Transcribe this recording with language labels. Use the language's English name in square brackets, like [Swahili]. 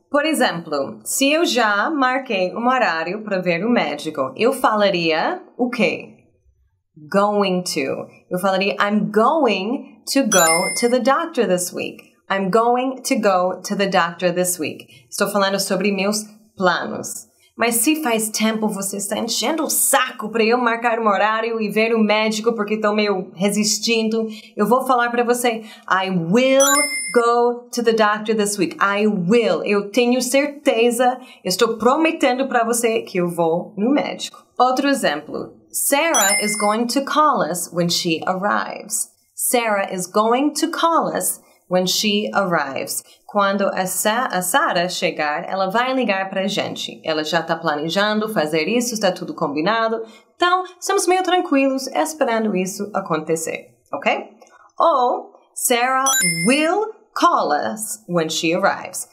[Portuguese] Por exemplo, se eu já marquei um horário para ver o médico, eu falaria o quê? [English] Going to. [Portuguese] Eu falaria [English] I'm going to go to the doctor this week. I'm going to go to the doctor this week. [Portuguese] Estou falando sobre meus planos. Mas se faz tempo você está enchendo o saco para eu marcar um horário e ver o médico porque estou meio resistindo, eu vou falar para você, [English] I will go to the doctor this week. I will. [Portuguese] Eu tenho certeza, estou prometendo para você que eu vou no médico. Outro exemplo. [English] Sarah is going to call us when she arrives. Sarah is going to call us when she arrives. [Portuguese] Quando a Sarah chegar, ela vai ligar para a gente. Ela já está planejando fazer isso, está tudo combinado. Então, estamos meio tranquilos esperando isso acontecer, ok? Ou, [English] Sarah will call us when she arrives.